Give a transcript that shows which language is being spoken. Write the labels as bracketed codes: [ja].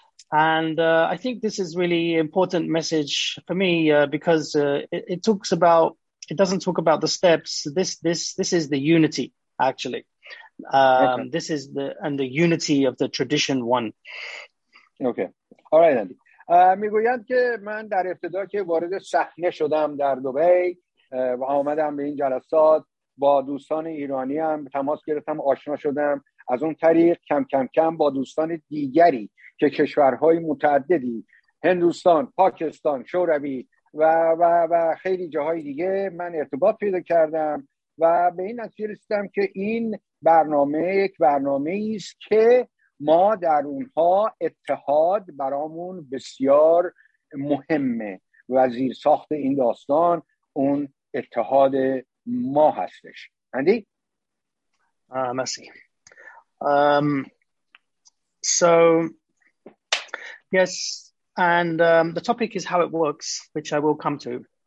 [en] And I think this is really important message for me, because it doesn't talk about the steps. This is the unity, actually. Okay. This is the unity of the tradition one. Okay. All right, Andy. [fa] میگویند که من در ابتدا که وارد صحنه شدم در دبی و آمدم به این جلسات با دوستان ایرانی هم تماس گرفتم، آشنا شدم، از اون طریق کم کم کم با دوستان دیگری که کشورهای متعددی، هندوستان، پاکستان، شوروی و و و خیلی جاهای دیگه من ارتباط پیدا کردم و به این نتیجه رسیدم که این برنامه یک برنامه است که ما در اونها اتحاد برامون بسیار مهمه و زیر ساخت این داستان اون اتحاد ما هستش. اندی؟ مرسی. [en] So yes, and the topic is how it works, which I will come to.